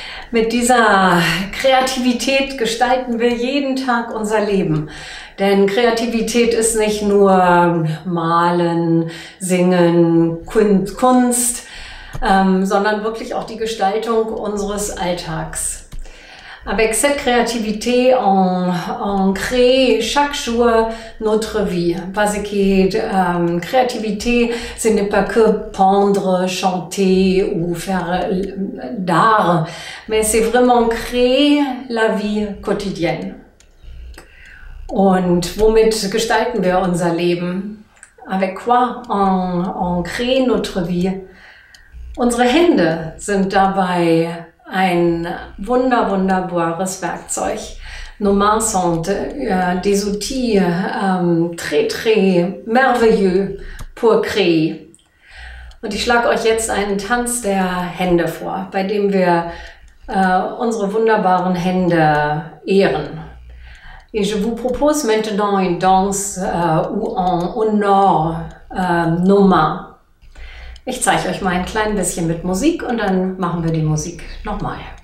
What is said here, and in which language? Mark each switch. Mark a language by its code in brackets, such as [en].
[de] Mit dieser Kreativität gestalten wir jeden Tag unser Leben. Denn Kreativität ist nicht nur Malen, Singen, Kunst, sondern wirklich auch die Gestaltung unseres Alltags. [fr] Avec cette créativité, on crée chaque jour notre vie. Parce que créativité, ce n'est pas que peindre, chanter ou faire d'art, mais c'est vraiment créer la vie quotidienne. [de] Und womit gestalten wir unser Leben? [fr] Avec quoi on crée notre vie? [de] Unsere Hände sind dabei ein wunderbares Werkzeug. [fr] Nos mains sont des outils très, très merveilleux pour créer. [de] Und ich schlage euch jetzt einen Tanz der Hände vor, bei dem wir unsere wunderbaren Hände ehren. [fr] Et je vous propose maintenant une danse où on honore nos mains. [de] Ich zeige euch mal ein klein bisschen mit Musik und dann machen wir die Musik nochmal.